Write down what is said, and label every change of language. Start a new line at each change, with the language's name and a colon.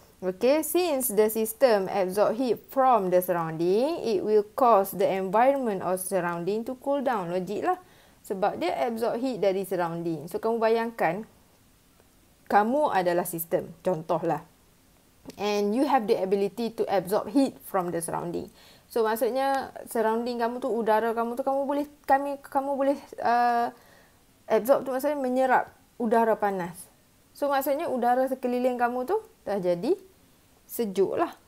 English: Okay, since the system absorb heat from the surrounding, it will cause the environment or surrounding to cool down.
Malay: Logik lah. Sebab dia absorb heat dari surrounding. So, kamu bayangkan, kamu adalah sistem. Contohlah.
English: And you have the ability to absorb heat from the surrounding.
Malay: So, maksudnya, surrounding kamu tu, udara kamu tu, kamu boleh absorb tu maksudnya menyerap udara panas. So, maksudnya udara sekeliling kamu tu dah jadi sejuk lah.